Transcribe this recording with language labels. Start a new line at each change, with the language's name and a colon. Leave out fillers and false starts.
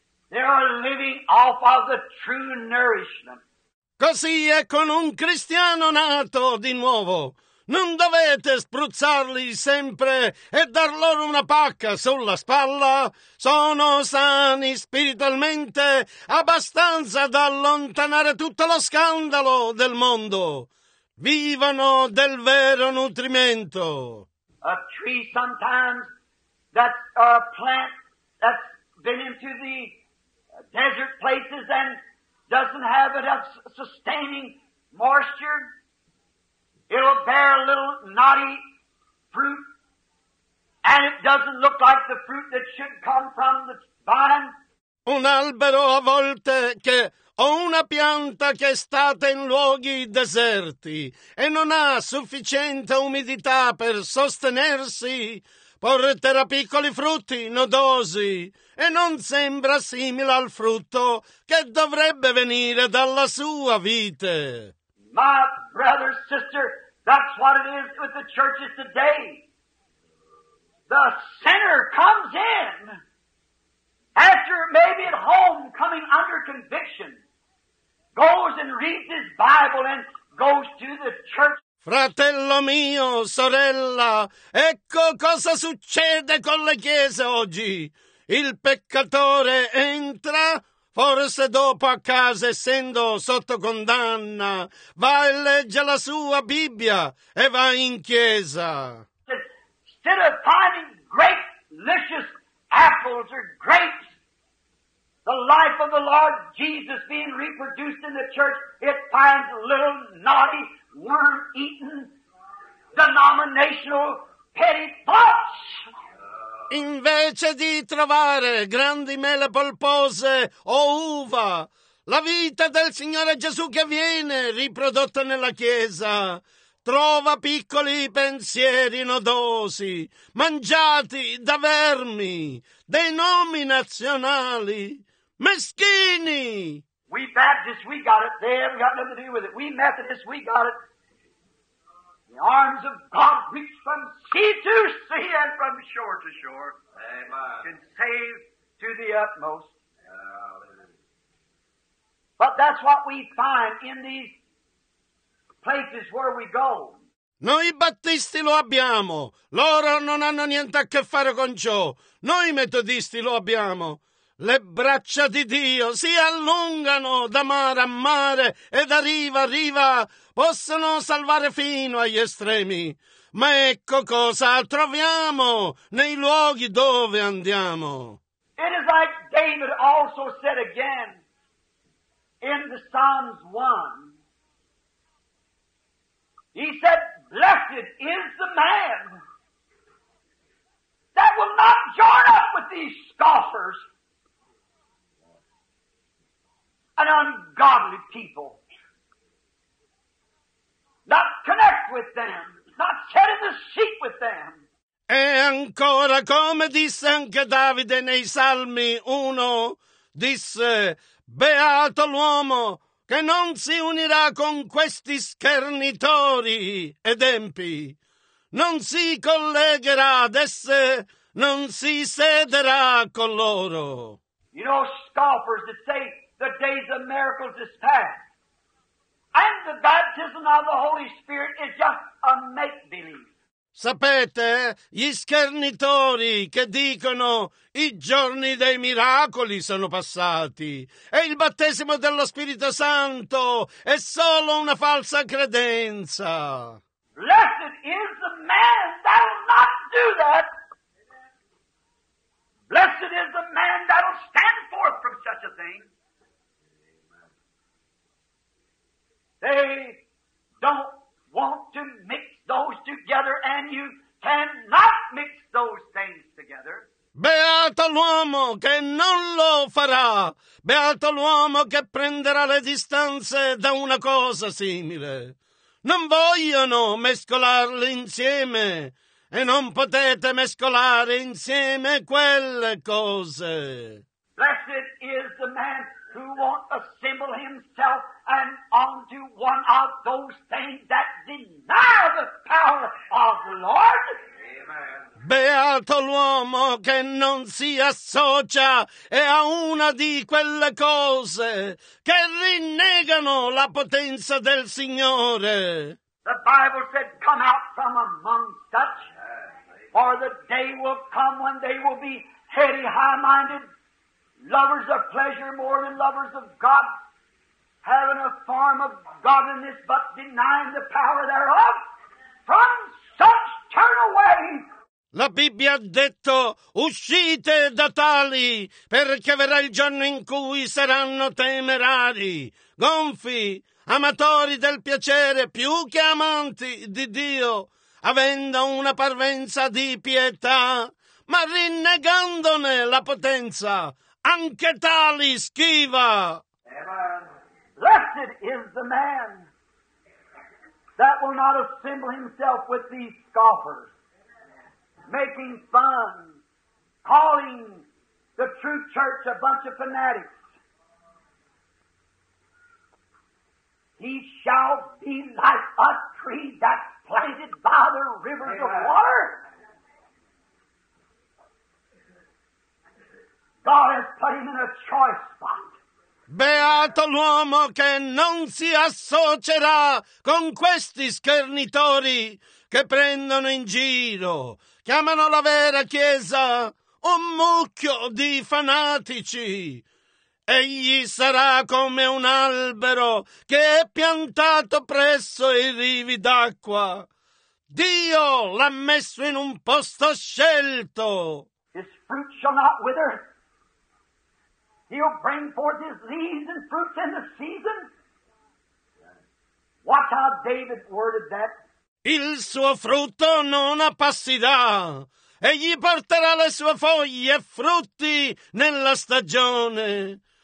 English: They are living off of the true nourishment.
Italian: Così è con un cristiano nato di nuovo. Non dovete spruzzarli sempre e dar loro una pacca sulla spalla. Sono sani spiritualmente abbastanza da allontanare tutto lo scandalo del mondo. vivano del vero nutrimento.
English: A tree sometimes that a plant that's been into the desert places and doesn't have enough sustaining moisture, it'll bear a little knotty fruit, and it doesn't look like the fruit that should come from the vine.
Italian: Un albero a volte che o una pianta che è stata in luoghi deserti e non ha sufficiente umidità per sostenersi porterà piccoli frutti nodosi e non sembra simile al frutto che dovrebbe venire dalla sua vite.
English: My brother, sister, that's what it is with the churches today. The sinner comes in after maybe at home coming under conviction, goes and reads his Bible and goes to the church.
Italian: Fratello mio, sorella, ecco cosa succede con le chiese oggi. Il peccatore entra, forse dopo a casa essendo sotto condanna, va e legge la sua Bibbia e va in chiesa.
English: Instead of finding great, delicious apples or grapes, the life of the Lord Jesus being reproduced in the church, it finds little, naughty, worm-eaten, denominational, petty thoughts.
Italian: Invece di trovare grandi mele polpose o uva, la vita del Signore Gesù che viene riprodotta nella Chiesa trova piccoli pensieri nodosi, mangiati da vermi, denominazionali, meschini.
English: We Baptists, we got it. They haven't got nothing to do with it. We Methodists, we got it. The arms of God reach from sea to sea and from shore to shore. Amen. Can save to the utmost. Hallelujah. But that's what we find in these places where we go.
Italian: Noi Battisti lo abbiamo. Loro non hanno niente a che fare con ciò. Noi Metodisti lo abbiamo. Le braccia di Dio si allungano da mare a mare e da riva a riva possono salvare fino agli estremi. Ma ecco cosa troviamo nei luoghi dove andiamo.
English: It is like David also said again in the Psalms 1. He said, blessed is the man that will not join up with these scoffers. An ungodly people. Not connect with them. Not set in the seat with them.
Italian: E ancora, come disse anche Davide nei Salmi 1, disse, beato l'uomo che non si unirà con questi schernitori ed empi. Non si collegherà ad esse, non si sederà con loro.
English: You know, scoffers that say, the days of miracles is past. And the baptism of the Holy Spirit is just a make-believe.
Italian: Sapete, gli schernitori che dicono i giorni dei miracoli sono passati e il battesimo dello Spirito Santo è solo una falsa credenza.
English: Blessed is the man that will not do that. Blessed is the man that will stand forth from such a thing. They don't want to mix those together, and you cannot mix those things together.
Italian: Beato l'uomo che non lo farà. Beato l'uomo che prenderà le distanze da una cosa simile. Non vogliono mescolarle insieme, e non potete mescolare insieme quelle cose.
English: Blessed is the man who won't assemble himself and onto one of those things that deny the power of the Lord.
Italian: Beato l'uomo che non si associa e a una di quelle cose che rinnegano la potenza del Signore.
English: The Bible said, come out from among such, for the day will come when they will be heady, high-minded, lovers of pleasure more than lovers of God, having a form of godliness but denying the power thereof, from such turn away.
Italian: La Bibbia ha detto: uscite da tali, perché verrà il giorno in cui saranno temerari, gonfi, amatori del piacere più che amanti di Dio, avendo una parvenza di pietà, ma rinnegandone la potenza, anche tali schiva.
English: Blessed is the man that will not assemble himself with these scoffers, making fun, calling the true church a bunch of fanatics. He shall be like a tree that's planted by the rivers of water. God has put him in a choice spot.
Italian: Beato l'uomo che non si associerà con questi schernitori che prendono in giro, chiamano la vera Chiesa un mucchio di fanatici. Egli sarà come un albero che è piantato presso i rivi d'acqua. Dio l'ha messo in un posto scelto.
English: His fruit shall not wither. He'll bring forth his leaves and fruits in the season. Watch how David worded that.
Italian: Il suo frutto non appassirà, e gli porterà le sue foglie e frutti nella stagione.